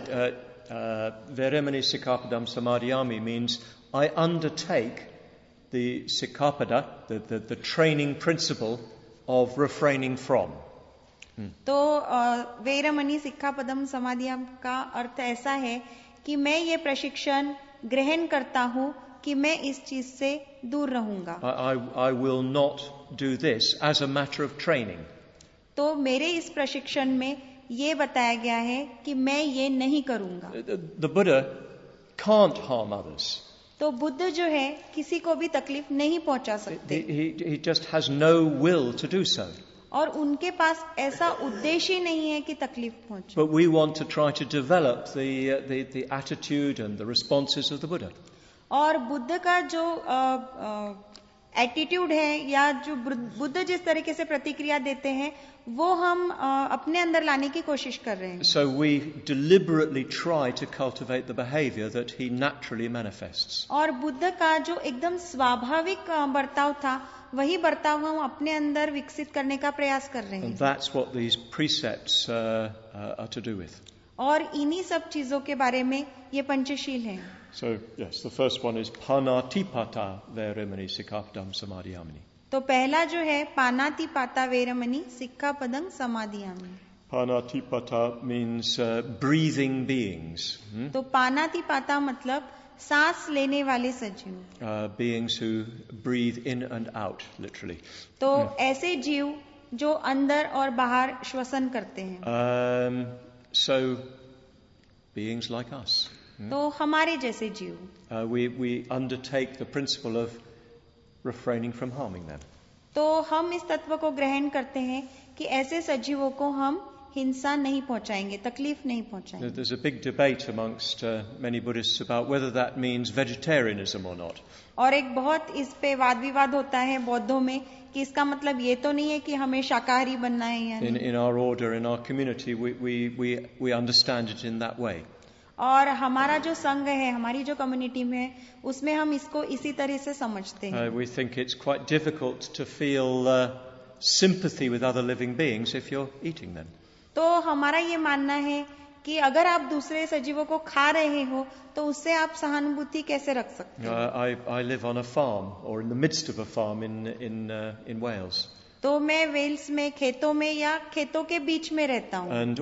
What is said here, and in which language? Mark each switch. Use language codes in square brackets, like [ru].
[pi] Veeramani sikkhapadam samadhiyami [en] means I undertake the sikkhapada, the training principle of refraining from. [hi] तो [pi] वैरमणि सिक्खापदम समाधियम [hi] का अर्थ ऐसा है कि मैं ये प्रशिक्षण ग्रहण करता हूँ कि मैं इस चीज से दूर रहूंगा. [en] I will not do this as a matter of training. [hi] तो मेरे इस प्रशिक्षण में ये बताया गया है कि मैं ये नहीं करूंगा. [en] The Buddha can't harm others. [hi] तो बुद्ध जो है किसी को भी तकलीफ नहीं पहुंचा सकते. [en] He just has no will to do so. [hi] और उनके पास ऐसा उद्देश्य ही नहीं है कि तकलीफ पहुंचे. [en] But we want to try to develop the attitude and the responses of the Buddha. [hi] और बुद्ध का जो एटीट्यूड है या जो बुद्ध जिस तरीके से प्रतिक्रिया देते हैं वो हम अपने अंदर लाने की कोशिश कर रहे हैं. [en] So we deliberately try to cultivate the behavior that he naturally manifests. [hi] और बुद्ध का जो एकदम स्वाभाविक बर्ताव था वही बर्ताव हम अपने अंदर विकसित करने का प्रयास कर रहे हैं. [en] And that's what these precepts are to do with. [hi] और इन्हीं सब चीजों के बारे में ये पंचशील हैं. [en] So yes, the first one is [pi] panatipata veeramani sikkhapadam samadhiyami. [hi] तो पहला जो है [pi] panatipata veeramani sikkhapadam samadhiyami. [en] Panatipata means breathing beings. [hi] तो panatipata मतलब सांस लेने वाले सजीव. [en] Beings who breathe in and out, literally. [hi] तो ऐसे जीव जो अंदर और बाहर श्वसन करते हैं. [en] So beings like us. [hi] तो हमारे जैसे जीव. [en] We undertake the principle of refraining from harming them. [hi] तो हम इस तत्व को ग्रहण करते हैं कि ऐसे सजीवों को हम हिंसा नहीं पहुंचाएंगे, तकलीफ नहीं पहुंचाएंगे. [en] There's a big debate amongst many Buddhists about whether that means vegetarianism or not. [hi] और एक बहुत इस पे वाद विवाद होता है बौद्धों में कि इसका मतलब ये तो नहीं है कि हमें शाकाहारी बनना है या नहीं. [en] In our order, in our community, we understand it in that way. [hi] और हमारा जो संघ है, हमारी जो कम्युनिटी में, उसमें हम इसको इसी तरह से समझते हैं. [en] We think it's quite difficult to feel sympathy with other living beings if you're eating them. [hi] तो हमारा ये मानना है कि अगर आप दूसरे सजीवों को खा रहे हो तो उससे आप सहानुभूति कैसे रख सकते हैं? [en] I live on a farm or in the midst of a farm in Wales. [hi] तो मैं वेल्स में खेतों में या खेतों के बीच में रहता हूँ.